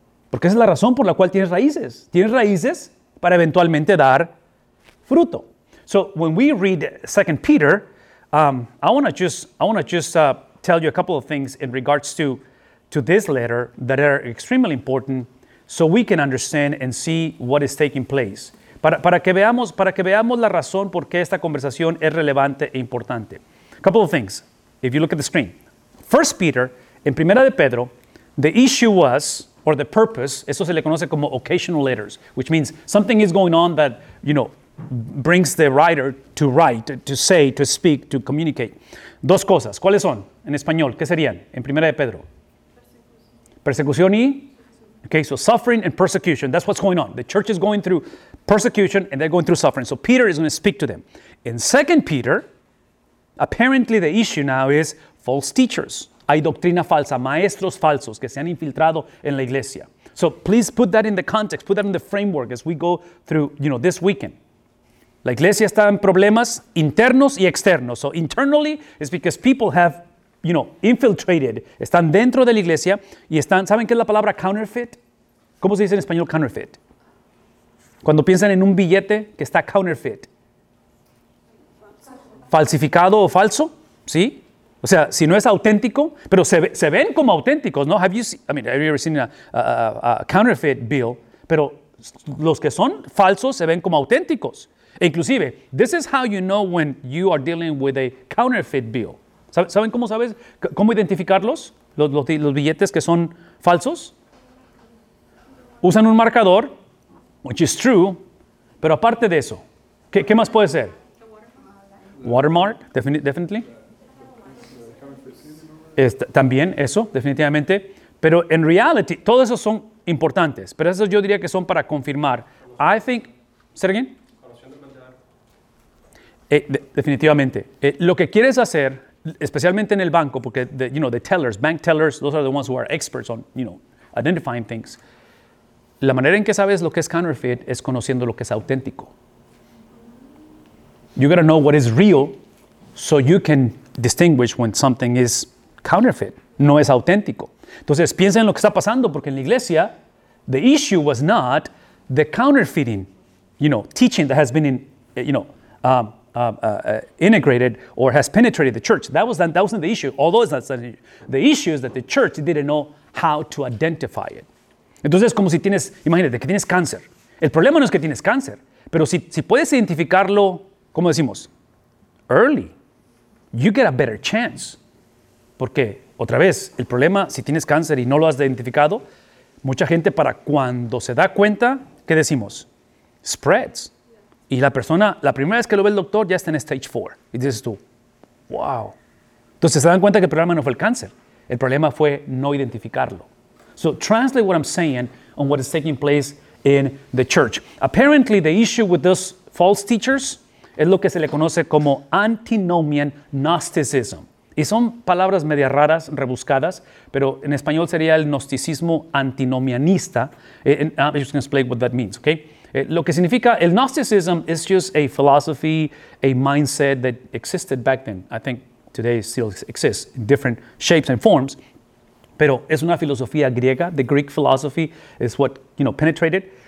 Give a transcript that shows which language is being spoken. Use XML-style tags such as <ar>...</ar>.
<es>Porque esa es la razón por la cual tienes raíces. Tienes raíces para eventualmente dar fruto.</es> <en>So when we read 2 Peter, I want to tell you a couple of things in regards to this letter that are extremely important so we can understand and see what is taking place.</en> <es>Para que veamos la razón por qué esta conversación es relevante e importante.</es> <en>A couple of things, if you look at the screen. 1 Peter,</en> <es>en Primera de Pedro,</es> <en>the issue was, or the purpose,</en> <es>eso se le conoce como</es> <en>occasional letters, which means something is going on that, you know, brings the writer to write, to say, to speak, to communicate.</en> <es>Dos cosas. ¿Cuáles son? En español, ¿qué serían? En Primera de Pedro. Persecución y...</es> <en>Okay, so suffering and persecution, that's what's going on. The church is going through persecution and they're going through suffering. So Peter is going to speak to them. In 2 Peter, apparently the issue now is false teachers.</en> <es>Hay doctrina falsa, maestros falsos que se han infiltrado en la iglesia.</es> <en>So please put that in the context, put that in the framework as we go through, you know, this weekend.</en> <es>La iglesia está en problemas internos y externos.</es> <en>So internally is because people have, you know, infiltrated,</en> <es>están dentro de la iglesia y están, ¿saben qué es la palabra counterfeit? ¿Cómo se dice en español counterfeit? Cuando piensan en un billete que está counterfeit. ¿Falsificado o falso? ¿Sí? O sea, si no es auténtico, pero se ven como auténticos, ¿no?</es> <en>Have you ever seen a counterfeit bill?</en> <es>Pero los que son falsos se ven como auténticos. E inclusive,</es> <en>this is how you know when you are dealing with a counterfeit bill.</en> <es>¿Saben cómo sabes? ¿Cómo identificarlos? Los billetes que son falsos. Usan un marcador,</es> <en>which is true,</en> <es>pero aparte de eso, ¿qué más puede ser?</es> <en>Watermark, definitely.</en> <es>También eso, definitivamente. Pero en reality, todos esos son importantes, pero esos yo diría que son para confirmar.</es> <en>I think, ¿say again?</en> <es>Definitivamente. Lo que quieres hacer, especialmente en el banco, porque,</es> <en>the tellers, bank tellers, those are the ones who are experts on, you know, identifying things.</en> <es>La manera en que sabes lo que es counterfeit es conociendo lo que es auténtico.</es> <en>You gotta know what is real so you can distinguish when something is counterfeit,</en> <es>no es auténtico. Entonces, piensa en lo que está pasando, porque en la iglesia,</es> <en>the issue was not the counterfeiting, you know, teaching that has been in, you know, integrated or has penetrated the church. That wasn't the issue. Although it's not the issue. The issue is that the church didn't know how to identify it.</en> <es>Entonces, como si tienes, imagínate que tienes cáncer. El problema no es que tienes cáncer, pero si puedes identificarlo, ¿cómo decimos? Early.</es> <en>You get a better chance.</en> <es>Porque, otra vez, el problema, si tienes cáncer y no lo has identificado, mucha gente para cuando se da cuenta, ¿qué decimos? Spreads. Y la persona, la primera vez que lo ve el doctor, ya está en stage 4. Y dices tú, wow. Entonces se dan cuenta que el problema no fue el cáncer. El problema fue no identificarlo.</es> <en>So translate what I'm saying on what is taking place in the church. Apparently the issue with those false teachers</en> <es>es lo que se le conoce como</es> <en>antinomian gnosticism.</en> <es>Y son palabras media raras, rebuscadas, pero en español sería el gnosticismo antinomianista.</es> <en>And I'm just going to explain what that means, okay?</en> <es>Lo que significa, el</es> <en>Gnosticism is just a philosophy, a mindset that existed back then. I think today it still exists in different shapes and forms.</en> <es>Pero es una filosofía griega.</es> <en>The Greek philosophy is what, you know, penetrated.</en>